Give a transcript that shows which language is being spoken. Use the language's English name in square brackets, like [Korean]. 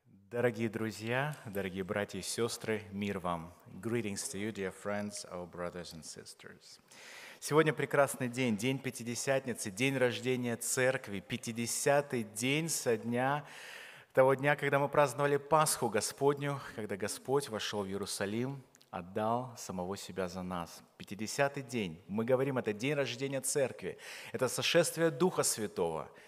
[Russian] Дорогие друзья, дорогие братья и сестры, мир вам. [English] Greetings to you, dear friends, our brothers and sisters. [Russian] Сегодня прекрасный день, день Пятидесятницы, день рождения Церкви, 50-й день со дня, того дня, когда мы праздновали Пасху Господню, когда Господь вошел в Иерусалим, отдал самого себя за нас. 50-й день, мы говорим, это день рождения Церкви, это сошествие Духа Святого.